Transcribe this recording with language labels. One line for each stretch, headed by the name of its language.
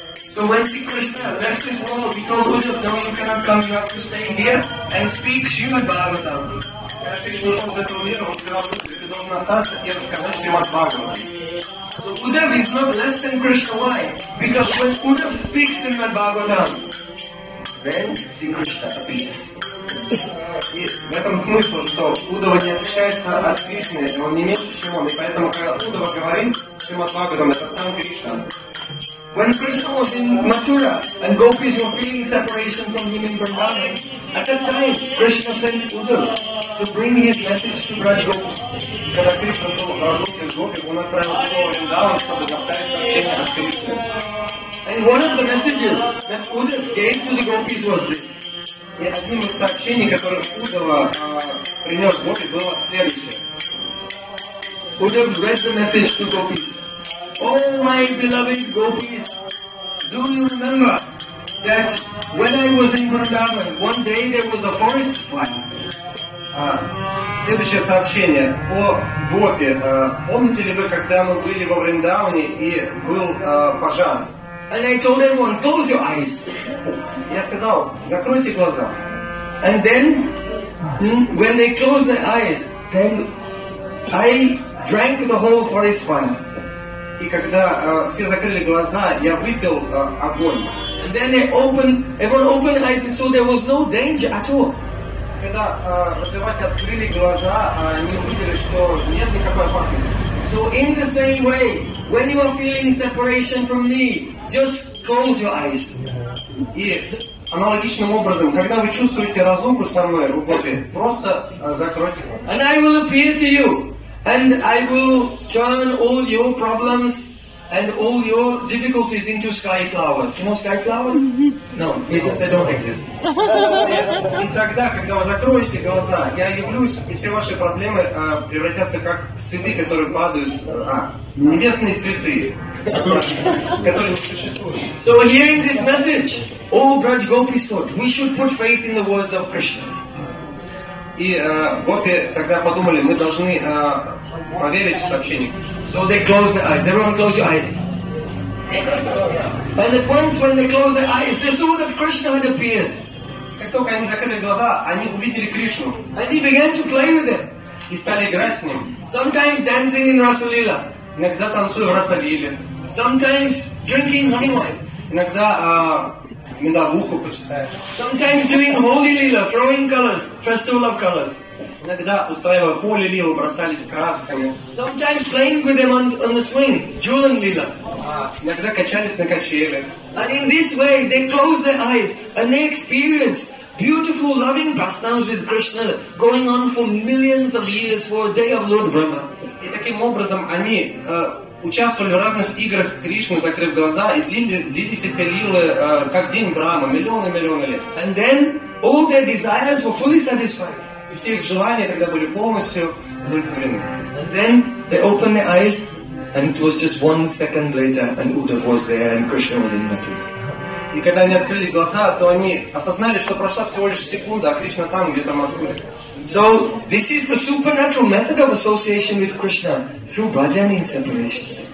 English: So when Sri Krishna left his world, he told Uddhav, no, you cannot come, you have to stay here and speak Srimad Bhagavatam.
Russian: Krishna ушел из этого мира, он сказал, что ты должен остаться и рассказать Srimad Bhagavatam.
English: So Uddhav is not less than Krishna. Why? Because when Uddhav speaks Srimad Bhagavatam, then Sri Krishna appears.
Russian: И в этом смысл, что Удава не отличается от Кришны, он не меньше, чем он. И поэтому, когда Удава говорит, чем от Бхагаватам, это сам Кришна.
English: When Krishna was in Mathura and gopis were feeling separation from him in Vrindavan, at that time Krishna sent Uddhava to bring his message to Braj Gopis.
Russian: Когда Кришна был разлучен с гопи, он отправил его в Вриндаван, чтобы доставить сообщение от Кришны.
English: And one of the messages that Uddhava gave to the gopis was this.
Russian: И одним из сообщений, которые Uddhava принес гопи, было следующее.
English: Uddhava read the message to gopis. Oh, my beloved gopis, do you remember that when I was in Vrindavan, one day there was a forest fire?
Russian: Следующее сообщение. О гопи, помните ли вы, когда мы были во Вриндаване и был пожар?
English: And I told everyone, close your eyes.
Russian: Я сказал, закройте глаза.
English: And then, when they closed their eyes, then I drank the whole forest fire.
Russian: И когда все закрыли глаза, я выпил огонь.
English: And then they opened, everyone opened their eyes, and so there was no danger at all.
Russian: Когда раздевались, открыли глаза, они увидели, что нет никакой опасности.
English: So in the same way, when you are feeling separation from me, just close your eyes.
Russian: И аналогичным образом, когда вы чувствуете разлуку со мной, в Гопи, просто закройте глаза.
English: And I will appear to you. And I will turn all your problems and all your difficulties into sky flowers. You know sky flowers? No, because they don't exist.
Russian: И тогда, когда вы закроете глаза, я явлюсь, и все ваши проблемы превратятся как цветы, которые падают. Небесные цветы, которые не существуют.
English: So hearing this message, all Braj Gopis thought, we should put faith in the words of Krishna.
Russian: И гопи тогда подумали, мы должны поверить в сообщение.
English: So they close their eyes. Everyone close your eyes. And at once when they close their eyes, they saw that Krishna had appeared.
Russian: Как только они закрыли глаза, они увидели Кришну.
English: And he began to play with them.
Russian: И стали играть с ним.
English: Sometimes dancing in Rasalila.
Russian: Иногда танцуя в Расалиле.
English: Sometimes drinking honey wine.
Russian: Иногда медовуху почитаешь.
English: Sometimes doing holy lila, throwing colors, festival of colors.
Russian: Иногда устраивая holy lila, бросались красками.
English: Sometimes playing with them on the swing, jhulan lila.
Russian: Иногда качались на качеле.
English: And in this way, they close their eyes and they experience beautiful, loving pastimes with Krishna going on for millions of years for a day of Lord Brahma.
Russian: И таким образом они участвовали в разных играх Кришны, закрыв глаза, и длились эти лилы, как день Брама, миллионы-миллионы лет.
English: And then all their desires were fully satisfied.
Russian: И все их желания тогда были полностью удовлетворены.
English: And then they opened their eyes, and it was just 1 second later, and Uddhava was there, and Krishna was in Mathura.
Russian: И когда они открыли глаза, то они осознали, что прошла всего лишь секунда, а Кришна там, где-то в Мадхуре.
English: So, this is the supernatural method of association with Krishna through bhajan in separation.